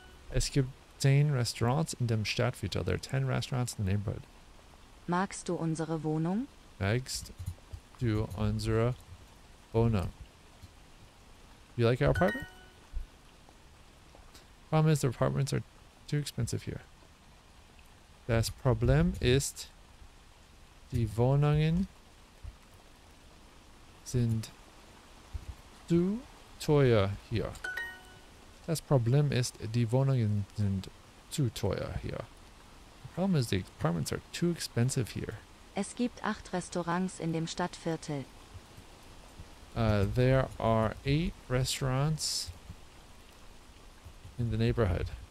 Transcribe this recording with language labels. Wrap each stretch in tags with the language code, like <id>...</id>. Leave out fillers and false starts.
<de>Es gibt 10 Restaurants in dem Stadtviertel.</de> <en>There are 10 restaurants in the neighborhood.</en> <de>Magst du unsere Wohnung? Magst du unsere Wohnung?</de> <en>You like our apartment? Problem is the apartments are too expensive here.</en> <de>Das Problem ist, die Wohnungen sind zu teuer hier. Das Problem ist, die Wohnungen sind zu teuer hier.</de> <en>The problem is, the apartments are too expensive here.</en> <de>Es gibt 8 Restaurants in dem Stadtviertel.</de> <en>There are 8 restaurants in the neighborhood.</en>